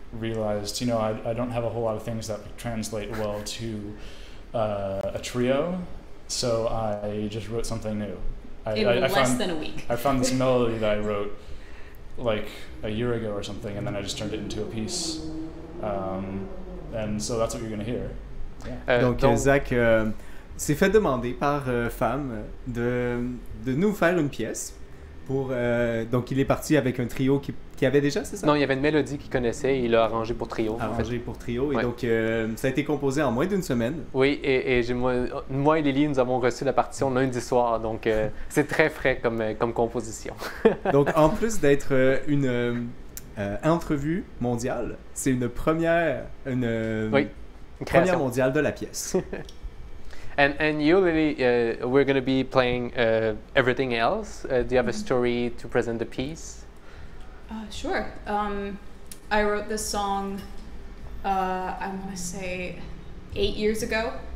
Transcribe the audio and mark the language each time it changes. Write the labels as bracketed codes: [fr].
[en] realized, you know, I don't have a whole lot of things that translate well to a trio, so I just wrote something new. In less than a week. I found this melody that I wrote like a year ago or something, and then I just turned it into a piece. And so that's what you're going to hear. Yeah. [fr] Donc, Zach s'est fait demander par Femme de nous faire une pièce. Donc, il est parti avec un trio qui avait déjà, c'est ça? Non, il y avait une mélodie qu'il connaissait et il l'a arrangé pour trio. Et donc, ça a été composé en moins d'une semaine. Oui, et moi et Lily, nous avons reçu la partition lundi soir. Donc, c'est très frais comme composition. Donc, en plus d'être une entrevue mondiale, c'est une première... une création. Première mondiale de la pièce. [en] And you, Lily, we're going to be playing everything else. Do you have a story to present the piece? Sure. I wrote this song, I want to say, 8 years ago.